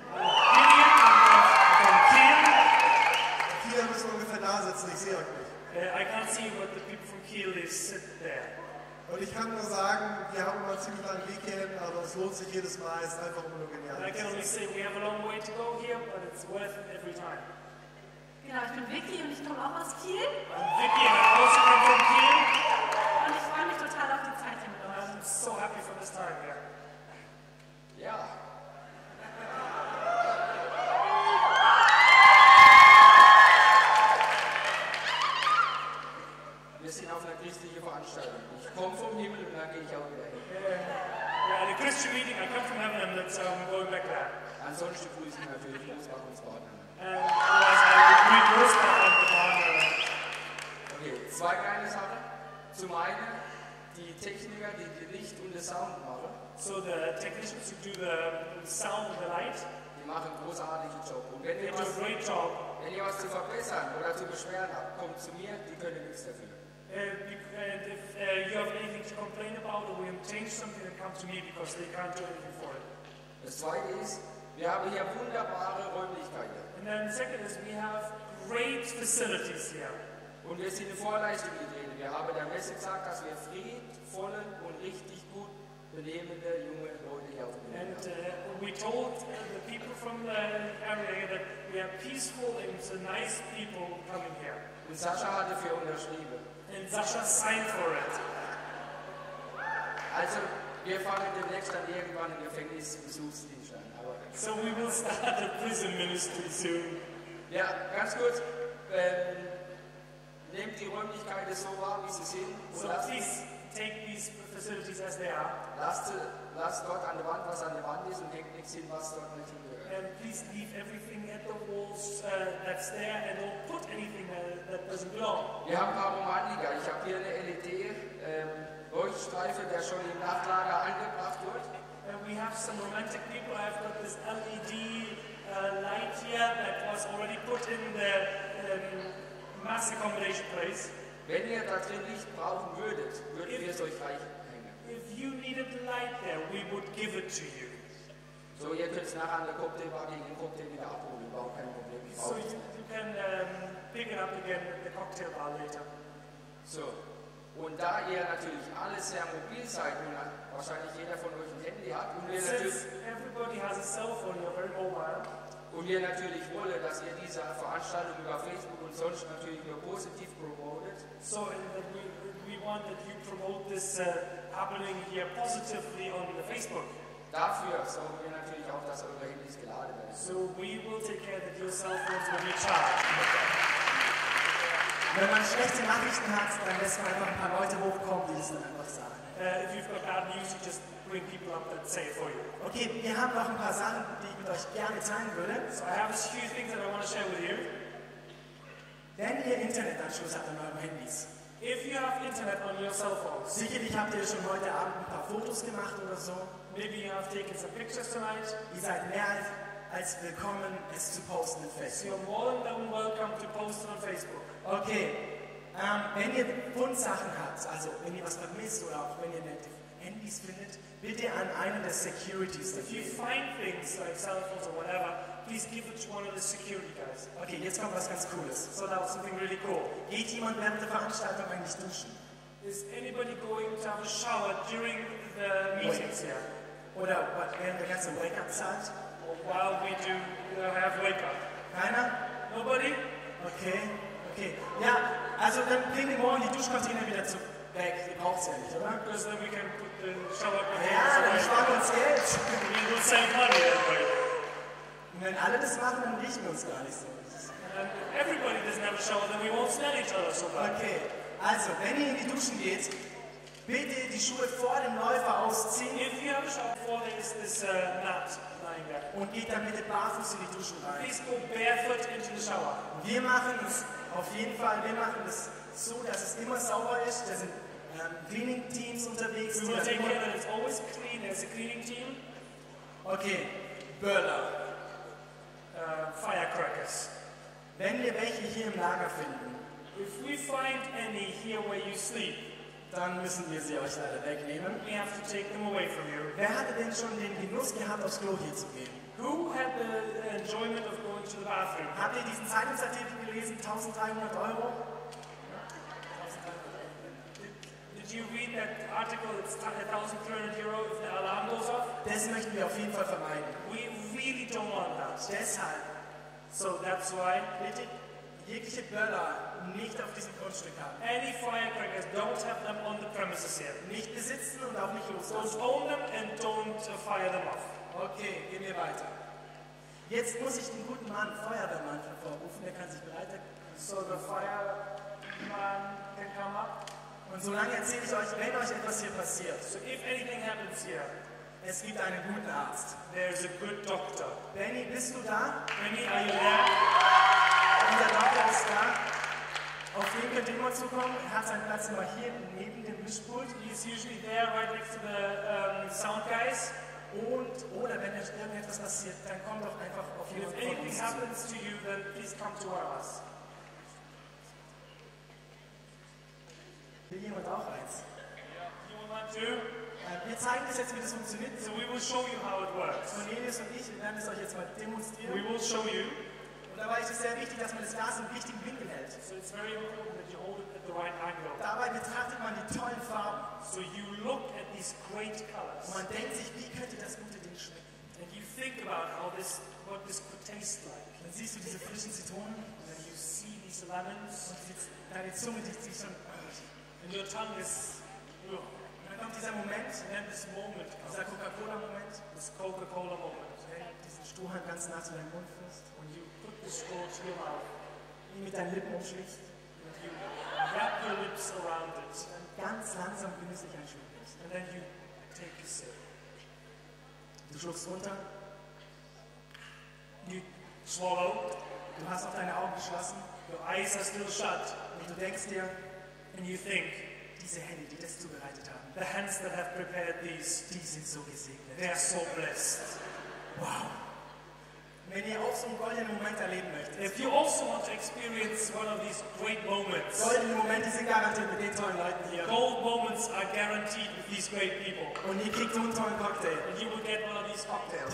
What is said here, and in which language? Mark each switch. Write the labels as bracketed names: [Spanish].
[German] Kiel müssen wir ungefähr da sitzen, ich sehe euch nicht. [English] I can't see what the people from Kiel is sitting there. [German] Und ich kann nur sagen, wir haben immer ziemlich lange Weekend, aber es lohnt sich jedes Mal, es ist einfach nur genial. [English] I can only say we have a long way to go here, but it's worth it every time. [German] Genau, ich bin Vicky und ich komme auch aus Kiel. [English] I'm Vicky, I'm also from Kiel. [German] Und ich freue mich total auf die Zeit hier mit euch. [English] I'm so happy for this time, yeah. [German] Ja. Wir sind auf einer christlichen Veranstaltung. Ich komme vom Himmel und dann gehe ich auch wieder hin. Ja, eine [English] Christian Meeting, I come from heaven and that's how I'm going back there. [German] Ansonsten grüße ich natürlich Großbachungsbahnen. Okay, zwei kleine Sachen. Zum einen, die Techniker, die die Licht und den Sound machen. [English] So the technicians who do the sound and the light. [German] Die machen einen großartigen Job. Und wenn ihr was, [English] great job. [German] Wenn ihr was zu verbessern oder zu beschweren habt, kommt zu mir, die können nichts dafür. [English] And if you have anything to complain about or we have changed something, then come to me because they can't do anything for it. [German] Das zweite ist, wir haben hier wunderbare Räumlichkeiten. [English] And then the second is, we have great facilities here. [German] Und wir sind in Vorleistung getreten. Wir haben der Messe gesagt, dass wir friedvolle und richtig gut benehmende junge Leute hier aufnehmen. [English] And we told the people from the area that we are peaceful and so nice people coming here. [German] Und Sascha hat dafür unterschrieben. [English] And Sascha signed for it. [German] Also, wir fangen demnächst an irgendwann im Gefängnisbesuchsdienst an. [English] So we will start the prison ministry soon. [German] Ja, ganz kurz. Nehmt die Räumlichkeiten so wahr, wie sie sind. [English] So please take these facilities as they are. [German] Lasst dort an der Wand, was an der Wand ist, und hängt nichts hin, was dort nicht hingehört. [English] And please leave everything at the walls that's there and don't put anything that doesn't belong. [German] Wir haben ein paar Romanliga. Ich habe hier eine LED Leuchtstreife, der schon im Nachtlager angebracht wird. [English] And we have some romantic people. I've got this LED light here that was already put in the mass accommodation place. [German] Wenn ihr da drin Licht brauchen würdet, würden wir es euch reichen. [English] If you needed light there, we would give it to you. [German] So ihr könnt es nachher an der Cocktailbar gegen den Cocktail wieder abholen. Wir brauchen kein Problem. [English] So you can pick it up again at the cocktail bar later. [German] So, und da ihr natürlich alle sehr mobil seid und wahrscheinlich jeder von euch ein Handy hat und wir natürlich [English] everybody has a cell phone, you're very mobile. [German] Und wir natürlich wollen, dass ihr diese Veranstaltung über Facebook und sonst natürlich nur positiv promotet. [English] So we want that you promote this happening here positively on the Facebook. [German] Dafür sorgen wir natürlich auch, dass eure Handys geladen werden. [English] So we will take care that your cell phones will be charged. [German] Wenn man schlechte Nachrichten hat, dann lässt man einfach ein paar Leute hochkommen, die es dann einfach sagen. [English] If you've got bad news, you just bring people up that say it for you. [German] Okay, wir haben noch ein paar Sachen, die ich mit euch gerne teilen würde. [English] So I have a few things that I want to share with you. [German] Wenn ihr Internetanschluss habt an euren Handys. [English] If you have internet on your cell phones. [German] Sicherlich habt ihr schon heute Abend ein paar Fotos gemacht oder so. [English] Maybe you have taken some pictures tonight. [German] Ihr seid mehr als als willkommen, es zu posten in Facebook. [English] You're more than welcome to post on Facebook. Okay. [German] Wenn ihr Fundsachen habt, also wenn ihr was vermisst oder auch wenn ihr nette Handys findet, bitte an einen der Securities. [English] If you find things like cell phones or whatever, please give it to one of the security guys. [German] Okay, jetzt kommt was ganz Cooles. [English] So now something really cool. [German] Geht jemand während der Veranstaltung eigentlich duschen? [English] Is anybody going to have a shower during the meetings? Wait, yeah. [German] Oder [English] what, [German] während der ganzen Wake-up-Zeit? [English] Or while we do have wake-up? [German] Keiner? [English] Nobody? Okay. [German] Ja, also dann bringen wir morgen die Duschkontainer wieder zurück. Weg, ihr braucht es ja nicht, oder? [English] Because then we can put the shower. [German] Ja, so dann sparen wir uns Geld. [English] We will save money anyway. [German] Und wenn alle das machen, dann riechen wir uns gar nicht so. [English] Everybody doesn't have a shower, then we won't smell each other so bad. [German] Okay, also, wenn ihr in die Duschen geht, bitte die Schuhe vor dem Läufer ausziehen. [English] If you have a shower before, then is this mat lying there. [German] Und geht dann bitte barfuß in die Duschen rein. [English] Please go barefoot into the shower. [German] Wir machen es auf jeden Fall, wir machen es so, dass es immer sauber ist. Da sind Cleaning Teams unterwegs. [English] We will take care that it's always clean as a cleaning team. [German] Okay, Burler. [English] Firecrackers. [German] Wenn wir welche hier im Lager finden, [English] if we find any here where you sleep, [German] dann müssen wir sie euch leider wegnehmen. [English] We have to take them away from you. [German] Wer hatte denn schon den Genuss gehabt, aufs Klo hier zu gehen? [English] Who had the enjoyment of going to the bathroom? [German] Habt ihr diesen Zeitungsartikel gelesen, 1300 Euro? [English] Did you read that article, it's 1300 Euro if the alarm goes off? [German] Das möchten wir auf jeden Fall vermeiden. [English] We really don't want that. [German] Deshalb. [English] So that's why. [German] Bitte jegliche Böller nicht auf diesem Grundstück haben. [English] Any firecrackers, don't have them on the premises here. [German] Nicht besitzen und auch nicht loslassen. [English] Don't own them and don't fire them off. [German] Okay, gehen wir weiter. Jetzt muss ich den guten Mann, Feuerwehrmann, hervorrufen, der kann sich bereit erklären. [English] So the fireman can come up. [German] Und solange erzähle ich euch, wenn euch etwas hier passiert. [English] So if anything happens here, [German] es gibt einen guten Arzt. [English] There's a good doctor. [German] Benny, bist du da? [English] Benny, are you there? [German] Unser Doktor ist da. Auf den könnt ihr immer zukommen. Er hat seinen Platz immer hier neben dem Mischpult. [English] He's usually there right next to the sound guys. [German] Und, oder wenn euch irgendetwas passiert, dann kommt doch einfach auf jeden Fall. [English] If anything happens to you, then please come to us. [German] Will jemand auch eins? [English] Yeah. You want to? [German] Wir zeigen das jetzt, wie das funktioniert. [English] So we will show you how it works. [German] Cornelius und ich, wir werden es euch jetzt mal demonstrieren. [English] We will show you. [German] Und dabei ist es sehr wichtig, dass man das Glas im richtigen Winkel hält. [English] So it's very important that you hold it at the right angle. [German] Dabei betrachtet man die tollen Farben. [English] So you look at these great colors. [German] Und man denkt sich, wie könnte das gute Ding schmecken? [English] And you think about how this, what this could taste like. [German] Dann siehst du diese frischen Zitronen. [English] And then you see these lemons. [German] Und deine Zunge dicht sich schon. [English] And your tongue is. [German] Und dann kommt dieser Moment. [English] And then this moment. [German] Dieser Coca-Cola-Moment. [English] This Coca-Cola-Moment. [German] Diesen Strohhalm ganz nah zu deinem Mund führst. [English] And you put the straw to your mouth. [German] Ihn mit deinen Lippen umschlägst. [English] And you wrap your lips around it. [German] Und ganz langsam genüsslich einschlägst. [English] And then you take a sip. [German] Du schluckst runter. [English] You swallow. [German] Du hast auch deine Augen geschlossen. [English] Your eyes are still shut. [German] Und du denkst dir. [English] And you think, [German] diese Hände, die das zubereitet haben, [English] the hands that have prepared these, [German] die sind so gesegnet. [English] They are so blessed. Wow. [German] Wenn ihr auch so einen goldenen Moment erleben möchtet, [English] if you also want to experience one of these great moments, [German] goldene Momente sind garantiert mit den tollen Leuten hier. [English] Gold moments are guaranteed with these great people. [German] Und ihr kriegt einen tollen Cocktail. [English] And you will get one of these cocktails.